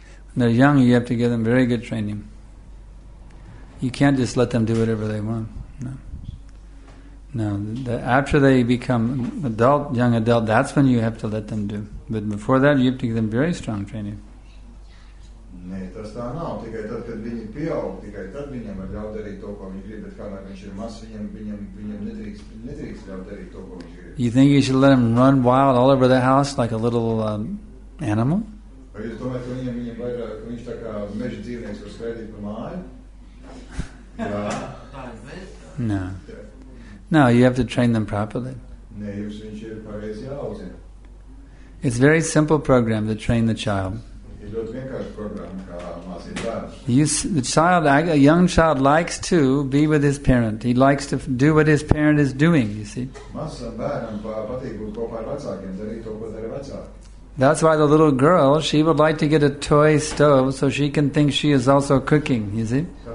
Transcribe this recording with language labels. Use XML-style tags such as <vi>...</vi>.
<en>When they're young, you have to give them very good training. You can't just let them do whatever they want. No. No, after they become adult, young adult, that's when you have to let them do. But before that, you have to give them very strong training.</en> <lv>Nē, tas tā nav. Tikai tad, kad viņi pieaug, tikai tad viņam var ļaut darīt to, ko viņi grib. Bet kādā viņš ir mazs, viņam nedrīkst ļaut darīt to, ko viņš grib.</lv> <en>You think you should let him run wild all over the house like a little animal?</en> <lv>Vai jūs domājat, ka viņam vairāk, viņš tā kā meža dzīvnieks var skraidīt pa māju? Jā.</lv> <en>No. No, you have to train them properly.</en> <lv>Nē, jūs viņš ir pareizi jāuzina.</lv> <en>It's a very simple program to train the child. The child, a young child likes to be with his parent. He likes to do what his parent is doing, you see. That's why the little girl, she would like to get a toy stove so she can think she is also cooking, you see.</en>